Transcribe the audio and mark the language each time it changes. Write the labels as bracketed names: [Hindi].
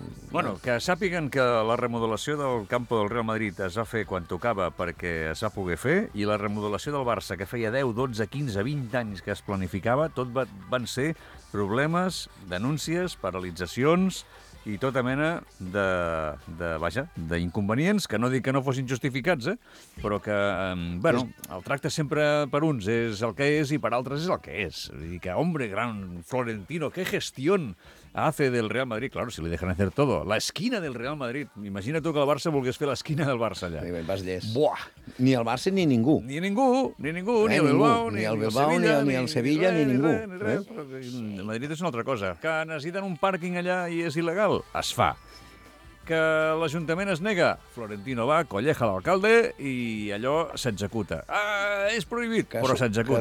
[Catalan] Bueno, que sàpiguen que la remodelació del campo del Real Madrid es va fer quan tocava perquè es va poder fer, i la remodelació del Barça, que feia 10, 12, 15, 20 anys que es planificava, tot van ser problemes, denúncies, paralitzacions i tota mena d'inconvenients, que no dic que no fossin justificats, però que, bueno, el tracte sempre per uns és el que és i per altres és el que és. [Spanish] I que, hombre, gran Florentino, qué gestión hace del Real Madrid, claro, si le dejan hacer todo. La esquina del Real Madrid. [Catalan] Imagina tu que el Barça volgués fer l'esquina del Barça allà. Sí, vas llest. Buah! Ni el Barça ni ningú. Ni ningú, ni el Bilbao, ni el Sevilla, ni ningú. Ni res. El Madrid és una altra cosa. Que necessiten un pàrquing allà i és il·legal? Es fa. Que l'Ajuntament es nega, Florentino va, colleja l'alcalde i allò s'executa. Ah, és prohibit, però s'executa.